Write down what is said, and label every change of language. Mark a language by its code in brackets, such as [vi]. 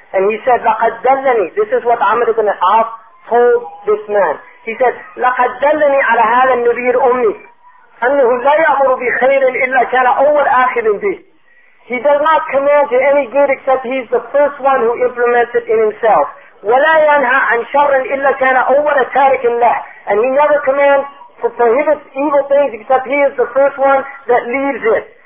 [en] And he said, [ar] لَقَدْ دَلَّنِي. [en] This is what Amr ibn al-As told this man. He said, [ar] لَقَدْ دَلَّنِي عَلَى هَذَا النَّبِيِّ الْأُمِّي أَنَّهُ لَا يَأْمُرُ بِخَيْرٍ إِلَّا كَانَ أَوَّلْ آخِرٍ بِهِ. [en] He does not command to any good except he's the first one who implements it in himself. [ar] وَلَا يَنْهَى عَنْ شَرٍ إِلَّا كَانَ أَوَّلَ تَارِكٍ لَهِ. [en] And he never commands to prohibit evil things except he is the first one that leaves it.